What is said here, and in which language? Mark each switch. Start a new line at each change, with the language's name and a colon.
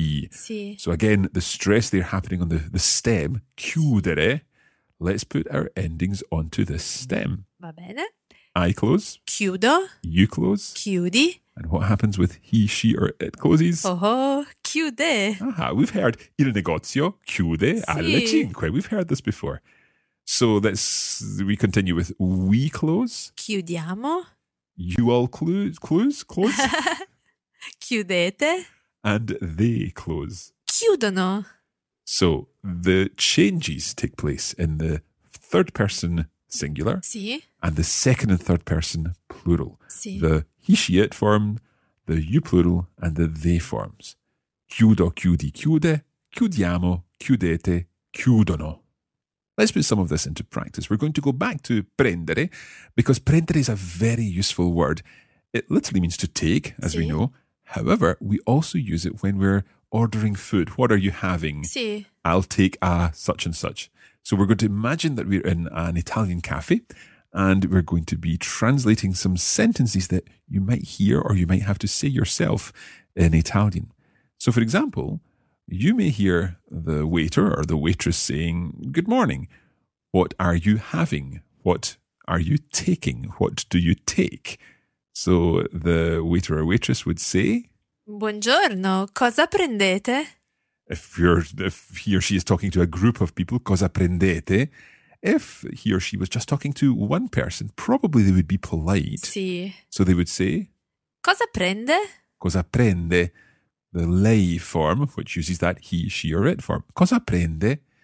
Italian: Si.
English: So again, the stress there happening on the stem, chiudere. Let's put our endings onto this stem.
Italian: Va bene.
English: I close.
Italian: Chiudo.
English: You close.
Italian: Chiudi.
English: And what happens with he, she, or it closes?
Italian: Oh, chiude.
English: Aha, we've heard
Italian: il negozio chiude alle cinque.
English: We've heard this before. So we continue with we close.
Italian: Chiudiamo.
English: You all close.
Italian: Chiudete.
English: And they close.
Italian: Chiudono.
English: So the changes take place in the third person singular.
Italian: Sì.
English: And the second and third person plural.
Italian: Sì.
English: The he, she, it form, the you plural, and the they forms.
Italian: Chiudo, chiudi, chiude. Chiudiamo, chiudete, chiudono.
English: Let's put some of this into practice. We're going to go back to prendere, because prendere is a very useful word. It literally means to take, as sì. We know. However, we also use it when we're ordering food. What are you having?
Italian: Sì.
English: I'll take a such and such. So we're going to imagine that we're in an Italian cafe and we're going to be translating some sentences that you might hear or you might have to say yourself in Italian. So for example, you may hear the waiter or the waitress saying, good morning, what are you having? What are you taking? What do you take? So the waiter or waitress would say,
Italian: buongiorno, cosa prendete?
English: If he or she is talking to a group of people,
Italian: cosa prendete?
English: If he or she was just talking to one person, probably they would be polite.
Italian: Sì.
English: So they would say,
Italian: cosa prende? Cosa prende?
English: The lei form, which uses that he, she or it form.
Italian: Cosa prende?